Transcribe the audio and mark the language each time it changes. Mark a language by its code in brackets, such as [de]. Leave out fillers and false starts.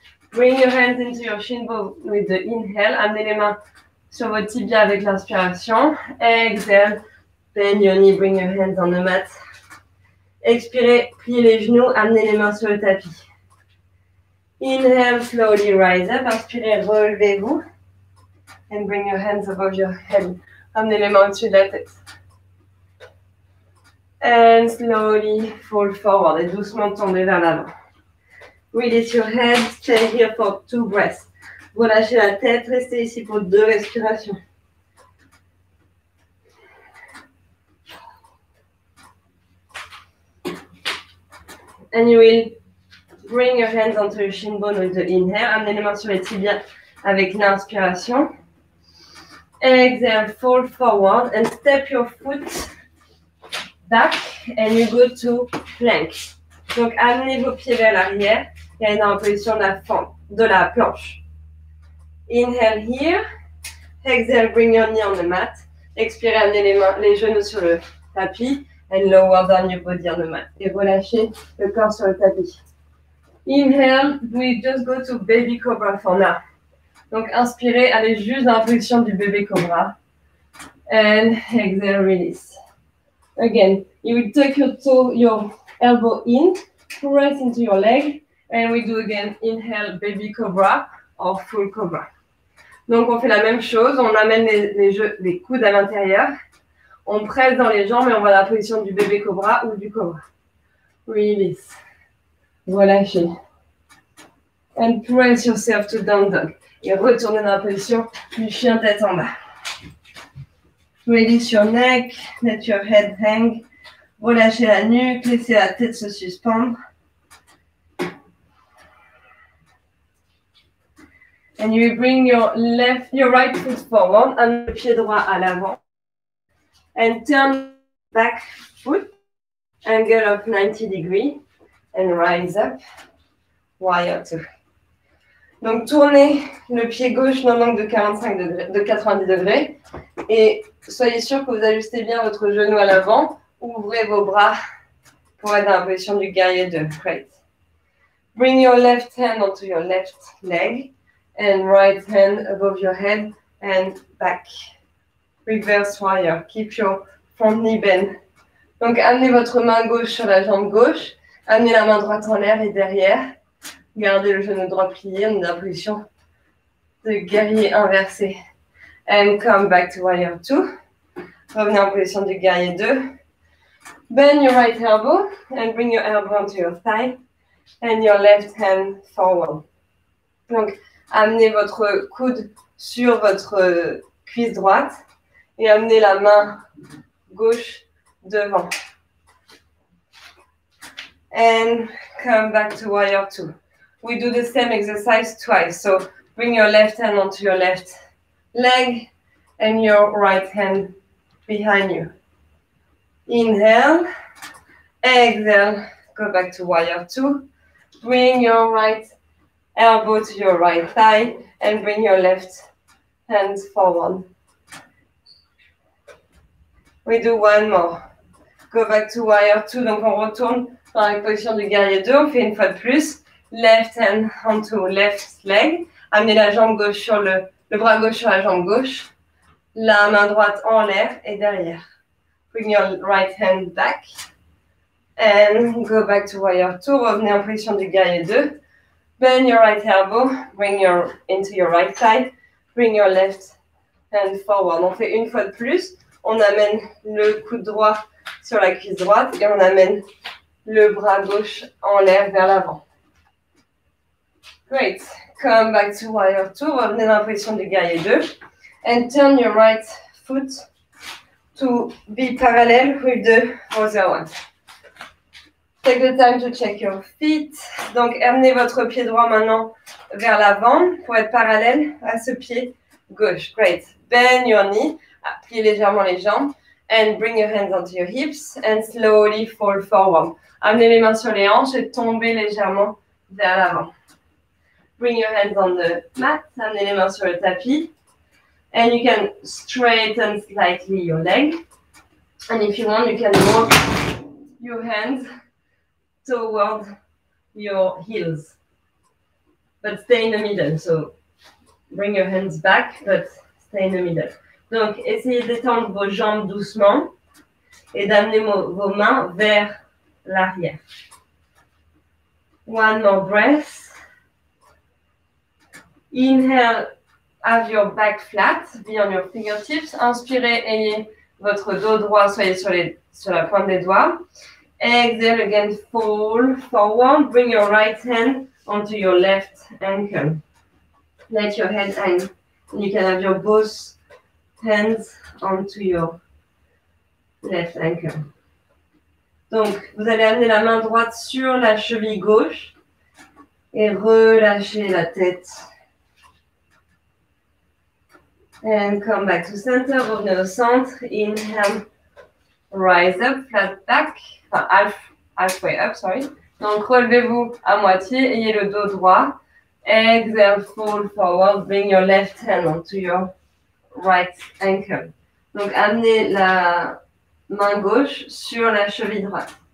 [en] Bring your hands into your shin bone with the inhale. [fr] Amenez les mains sur votre tibia avec l'inspiration. [en] Exhale, bend your knee, bring your hands on the mat. [fr] Expirez, pliez les genoux, amenez les mains sur le tapis. [en] Inhale, slowly rise up. [fr] Inspirez, relevez-vous. [en] And bring your hands above your head. [fr] Amenez les mains au-dessus de la tête. [en] And slowly fall forward. [fr] Et doucement tomber vers l'avant. [en] Release your head, stay here for two breaths. [fr] Relâchez la tête, restez ici pour deux respirations. [en] And you will bring your hands onto your shin bone with the inhale. [fr] Amenez les mains sur les tibias avec l'inspiration. [en] Exhale, fold forward and step your foot back and you go to plank. [fr] Donc, amenez vos pieds vers l'arrière et dans la position de la planche. [en] Inhale here. Exhale, bring your knee on the mat. [fr] Expirez, amenez les genoux sur le tapis. [en] And lower down your body on the mat. [fr] Et relâchez le corps sur le tapis. [en] Inhale, we just go to baby cobra for now. [fr] Donc inspirez, allez juste dans la position du bébé cobra. [en] And exhale, release. Again, you will take your toe, your elbow in, press into your leg. And we do again, inhale, baby cobra or full cobra. [fr] Donc on fait la même chose, on amène les coudes à l'intérieur. On presse dans les jambes et on va dans la position du bébé cobra ou du cobra. [en] Release. [fr] Relâchez. [en] And press yourself to down dog. [fr] Et retournez dans la position du chien tête en bas. [en] Release your neck. Let your head hang. [fr] Relâchez la nuque. Laissez la tête se suspendre. And you bring your right foot forward. And le pied droit à l'avant. [en] And turn back foot, angle of 90 degrees, and rise up, warrior two. [fr] Donc, tournez le pied gauche dans l'angle de 90 degrés et soyez sûr que vous ajustez bien votre genou à l'avant. Ouvrez vos bras pour être dans la position du guerrier de crate. [en] Bring your left hand onto your left leg and right hand above your head and back. Reverse warrior. Keep your front knee bent. [fr] Donc, amenez votre main gauche sur la jambe gauche. Amenez la main droite en l'air et derrière. Gardez le genou droit plié. On est dans la position de guerrier inversé. [en] And come back to warrior two. [fr] Revenez en position de guerrier deux. [en] Bend your right elbow and bring your elbow onto your thigh. And your left hand forward. [fr] Donc, amenez votre coude sur votre cuisse droite. Et amenez la main gauche devant. [en] and come back to warrior two. We do the same exercise twice. So bring your left hand onto your left leg and your right hand behind you. Inhale, exhale, go back to warrior two. Bring your right elbow to your right thigh and bring your left hand forward. We do one more. Go back to warrior two, [fr] donc on retourne dans la position du guerrier 2, on fait une fois de plus. [en] Left hand onto left leg. [fr] Amenez la jambe gauche sur le bras gauche sur la jambe gauche. La main droite en l'air et derrière. [en] Bring your right hand back. And go back to warrior two. [fr] Revenez en position du guerrier 2. [en] Bend your right elbow. Bring your into your right thigh. Bring your left hand forward. [fr] On fait une fois de plus. On amène le coude droit sur la cuisse droite et on amène le bras gauche en l'air vers l'avant. [en] Great. Come back to warrior two. [fr] Revenez dans la position du guerrier 2. [en] And turn your right foot to be parallel with the other one. Take the time to check your feet. [fr] Donc, amenez votre pied droit maintenant vers l'avant pour être parallèle à ce pied gauche. [en] Great. Bend your knee. [fr] Appuyez légèrement les jambes. [en] And bring your hands onto your hips. And slowly fall forward. [fr] Amenez les mains sur les hanches et tombez légèrement vers l'avant. [en] Bring your hands on the mat. [fr] Amenez les mains sur le tapis. [en] And you can straighten slightly your leg. And if you want, you can walk your hands toward your heels. But stay in the middle. So bring your hands back, but stay in the middle. [fr] Donc, essayez d'étendre vos jambes doucement et d'amener vos mains vers l'arrière. [en] One more breath. Inhale, have your back flat, be on your fingertips. [fr] Inspirez, ayez votre dos droit, soyez sur la pointe des doigts. [en] Exhale again, fall forward. Bring your right hand onto your left ankle. Let your head hang. You can have your both hands onto your left ankle. [fr] Donc, vous allez amener la main droite sur la cheville gauche et relâchez la tête. [en] And come back to center, [fr] revenez au centre. [en] Inhale, rise up, flat back. [fr] Enfin, [en] halfway up, sorry. [fr] Donc, relevez-vous à moitié, ayez le dos droit. [en] Exhale, fold forward, bring your left hand onto your right ankle. [fr] Donc, amenez la main gauche sur la cheville droite.